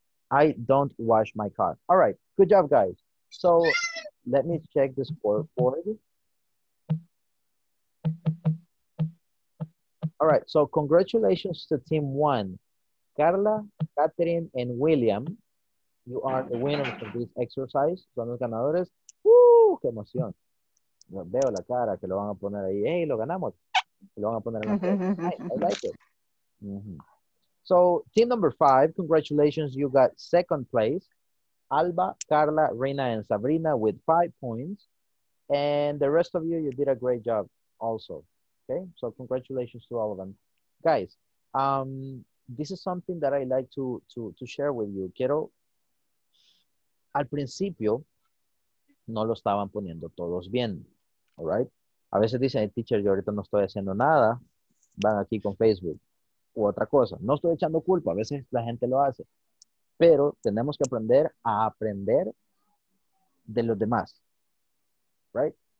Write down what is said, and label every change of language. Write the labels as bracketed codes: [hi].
[en] I don't wash my car. All right. Good job, guys. So let me check the scoreboard. All right. So congratulations to team one. Carla, Catherine, and William, you are the winners of this exercise. [es] Son los ganadores. ¡Qué emoción! Veo la cara que lo van a poner ahí. ¡Hey, lo ganamos! Lo van a poner en la cara. I like it. Mm-hmm. [en] So, team number 5, congratulations, you got second place. Alba, Carla, Reina, and Sabrina with 5 points. And the rest of you, you did a great job also. Okay, so congratulations to all of them. Guys, this is something that I like to share with you. [es] Quiero, al principio, no lo estaban poniendo todos bien. All right? A veces dicen, hey, teacher, yo ahorita no estoy haciendo nada. Van aquí con Facebook. U otra cosa. No estoy echando culpa. A veces la gente lo hace. Pero tenemos que aprender a aprender de los demás. Right?